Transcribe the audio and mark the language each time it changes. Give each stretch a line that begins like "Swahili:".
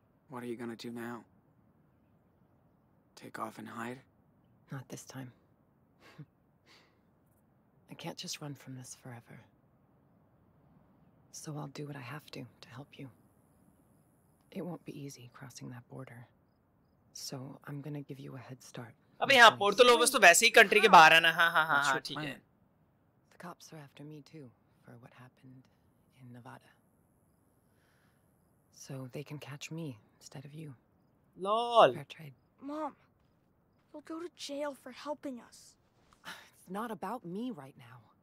English: What are you gonna do now? Take off and hide? Not this time. I can't just run from this forever. So I'll do what I have to help you. It won't be easy crossing that border. So I'm gonna give you a head start.
Hindi: अबे यहाँ Porto लोबस तो वैसे ही country के बाहर है ना। हाँ हाँ हाँ हाँ ठीक है।
English: The cops are after me too for what happened in Nevada. So they can catch me instead of you. Lol. Fair trade. Mom. We'll go to jail for helping us. It's not about me right now.